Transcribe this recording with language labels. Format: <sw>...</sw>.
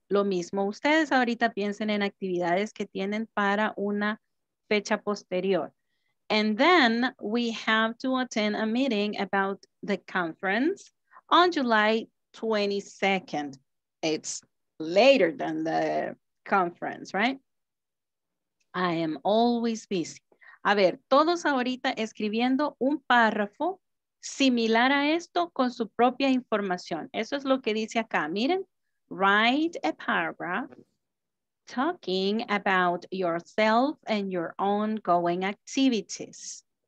<es>Lo mismo, ustedes ahorita piensen en actividades que tienen para una fecha posterior.</es> <en>And then we have to attend a meeting about the conference on July 22nd. It's later than the conference, right? I am always busy.</en> <es>A ver, todos ahorita escribiendo un párrafo similar a esto con su propia información. Eso es lo que dice acá. Miren,</es> <en>write a paragraph talking about yourself and your ongoing activities.</en>